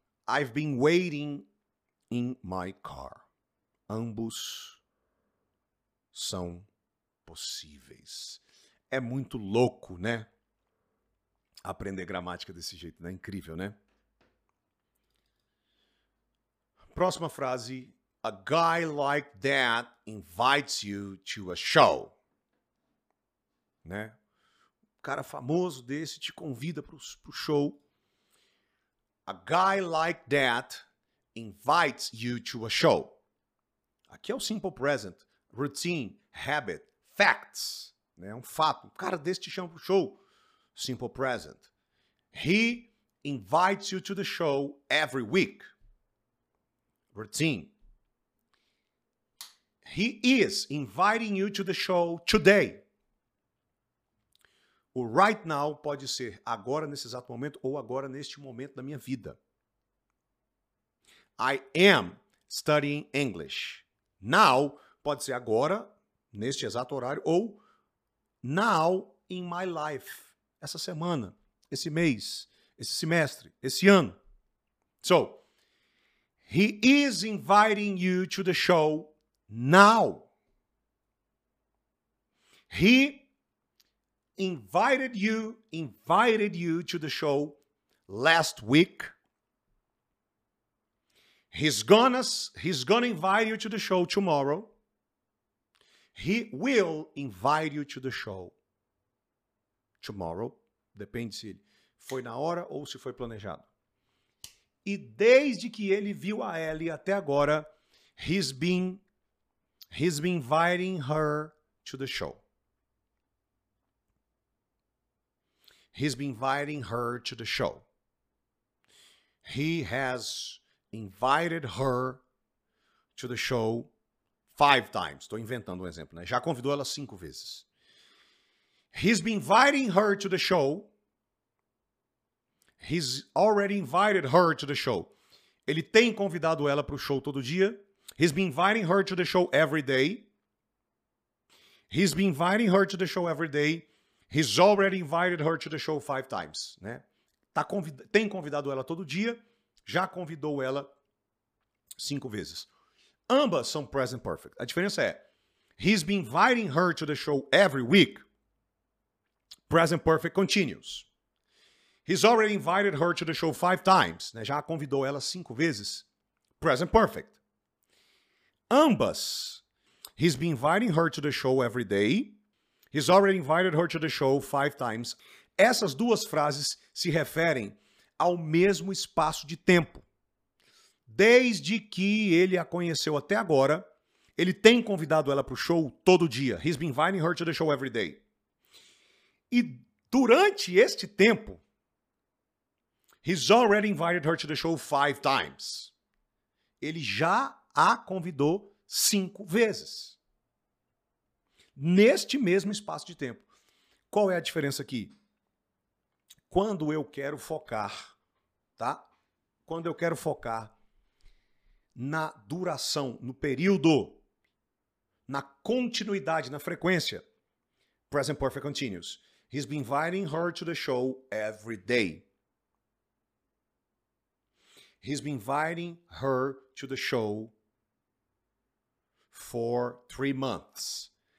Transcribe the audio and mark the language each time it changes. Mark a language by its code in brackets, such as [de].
[en] I've been waiting in my car. [pt] Ambos são possíveis. É muito louco, né? Aprender gramática desse jeito, né? Incrível, né? Próxima frase. [en] A guy like that invites you to a show. [pt] Né? Um cara famoso desse te convida para o show. [en] A guy like that invites you to a show. [pt] Aqui é o [en] simple present. Routine, habit, facts. Né? [pt] Um fato. Um cara desse te chama para o show. [en] Simple present. He invites you to the show every week. Routine. He is inviting you to the show today. [pt] O right now pode ser agora, nesse exato momento, ou agora, neste momento da minha vida. [en] I am studying English. [pt] Now pode ser agora, neste exato horário, ou [en] now in my life. [pt] Essa semana, esse mês, esse semestre, esse ano. [en] So, he is inviting you to the show now. He invited you to the show last week. He's gonna invite you to the show tomorrow. He will invite you to the show tomorrow. [pt] Depende se foi na hora ou se foi planejado. E desde que ele viu a Ellie até agora, [en] he's been inviting her to the show. He's been inviting her to the show. He has invited her to the show 5 times. [pt] Estou inventando um exemplo, né? Já convidou ela 5 vezes. [en] He's been inviting her to the show. He's already invited her to the show. [pt] Ele tem convidado ela para o show todo dia. [en] He's been inviting her to the show every day. He's been inviting her to the show every day. He's already invited her to the show 5 times, né? [pt] Tem convidado ela todo dia. Já convidou ela 5 vezes. Ambas são present perfect. A diferença é, [en] he's been inviting her to the show every week. Present perfect continues. He's already invited her to the show 5 times. [pt] Né? Já convidou ela 5 vezes. Present perfect. Ambas. [en] He's been inviting her to the show every day. He's already invited her to the show 5 times. [pt] Essas duas frases se referem ao mesmo espaço de tempo. Desde que ele a conheceu até agora, ele tem convidado ela para o show todo dia. [en] He's been inviting her to the show every day. [pt] E durante este tempo, [en] he's already invited her to the show 5 times. [pt] Ele já a convidou 5 vezes. Neste mesmo espaço de tempo. Qual é a diferença aqui? Quando eu quero focar, tá? Quando eu quero focar na duração, no período, na continuidade, na frequência. [en] Present perfect continues. He's been inviting her to the show every day. He's been inviting her to the show for 3 months.